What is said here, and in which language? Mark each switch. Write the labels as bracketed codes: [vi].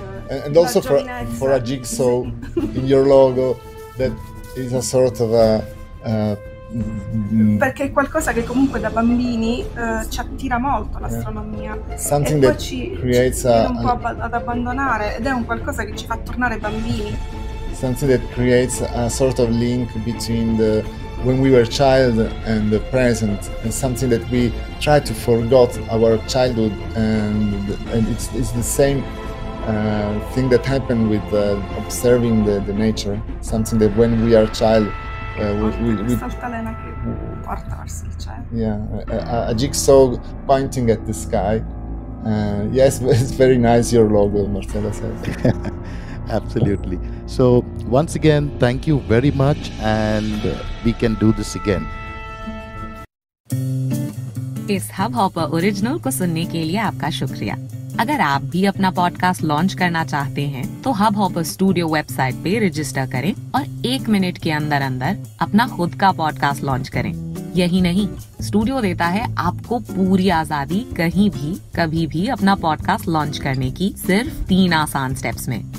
[en] and also for a jigsaw in your logo that is a sort of a [it] perché è qualcosa che comunque da bambini ci attira molto l'astronomia. [en] Something [it] e poi ci tira un po' ad abbandonare ed è un qualcosa che ci fa tornare bambini. [en] Something that creates a sort of link between the when we were child and the present, and something that we try to forget our childhood, and it's the same thing that happened with observing the nature, something that when we are child a jigsaw pointing at the sky. Yes, it's very nice your logo, Marcella says. Absolutely. So once again, thank you very much, and we can do this again. [hi] इस hub hopper original को सुनने के लिए आपका शुक्रिया. अगर आप भी अपना पॉडकास्ट लॉन्च करना चाहते हैं, तो हब हॉपर स्टूडियो वेबसाइट पे रजिस्टर करें और एक मिनट के अंदर अंदर अपना खुद का पॉडकास्ट लॉन्च करें. यही नहीं, स्टूडियो देता है आपको पूरी आजादी कहीं भी कभी भी अपना पॉडकास्ट लॉन्च करने की सिर्फ 3 आसान स्टेप्स में.